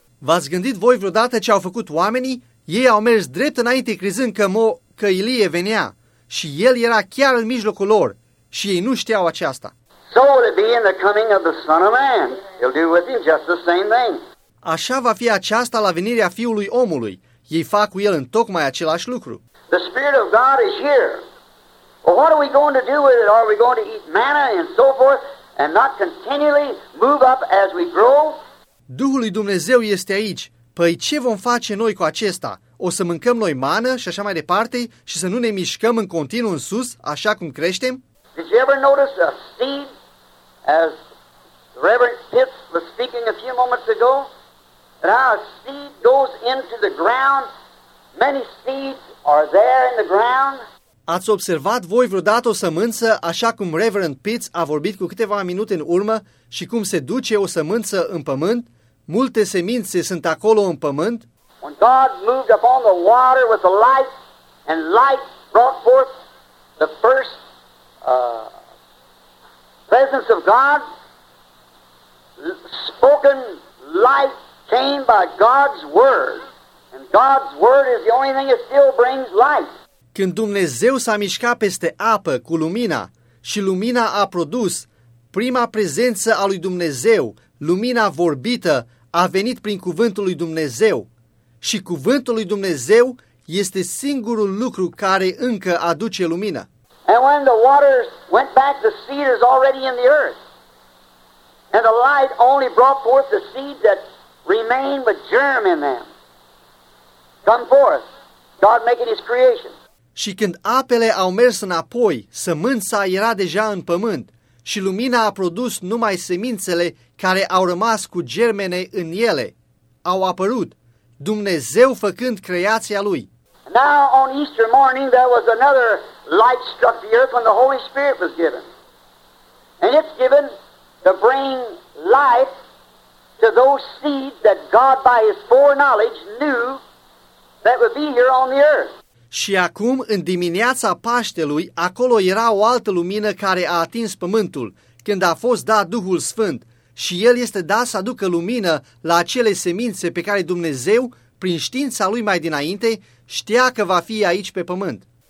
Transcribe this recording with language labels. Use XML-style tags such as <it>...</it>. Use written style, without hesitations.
<ro>V-ați gândit voi vreodată ce au făcut oamenii? Ei au mers drept înainte crezând că Ilie venea. Și el era chiar în mijlocul lor. Și ei nu știau aceasta.</ro> <en>So will it be in the coming of the Son of Man. He'll do with him just the same thing.</en> <ro>Așa va fi aceasta la venirea Fiului Omului. Ei fac cu el întocmai același lucru.</ro> <en>The Spirit of God is here. Well, what are we going to do with it? Are we going to eat manna and so forth and not continually move up as we grow?</en> <ro>Duhul lui Dumnezeu este aici. Păi ce vom face noi cu acesta? O să mâncăm noi mană și așa mai departe și să nu ne mișcăm în continuu în sus așa cum creștem?</ro> <en>Did you ever notice a seed, as Reverend Pitts was speaking a few moments ago, that how a seed goes into the ground, many seeds are there in the ground?</en> <ro>Ați observat voi vreodată o sămânță, așa cum Reverend Pitts a vorbit cu câteva minute în urmă, și cum se duce o sămânță în pământ? Multe semințe sunt acolo în pământ?</ro> <en>When God moved upon the water with the light, and light brought forth the first presence of God, spoken life came by God's word, and God's word is the only thing that still brings life.</en> <ro>când Dumnezeu s-a mișcat peste apă cu lumina și lumina a produs, prima prezență a lui Dumnezeu, lumina vorbită, a venit prin cuvântul lui Dumnezeu. Și cuvântul lui Dumnezeu este singurul lucru care încă aduce lumină.</ro> <en>And when the waters went back, the seed is already in the earth. And the light only brought forth the seed that remained with germ in them. Come forth, God making his creation.</en> <ro>Și când apele au mers înapoi, sămânța era deja în pământ și lumina a produs numai semințele care au rămas cu germene în ele. Au apărut, Dumnezeu făcând creația lui.</ro> <en>Now on Easter morning there was another light struck the earth when the Holy Spirit was given. And it's given to bring life to those seeds that God by his foreknowledge knew that would be here on the earth.</en> <ro>Și acum, în dimineața Paștelui, acolo era o altă lumină care a atins pământul, când a fost dat Duhul Sfânt, și El este dat să aducă lumină la acele semințe pe care Dumnezeu, prin știința Lui mai dinainte, știa că va fi aici pe pământ.</ro>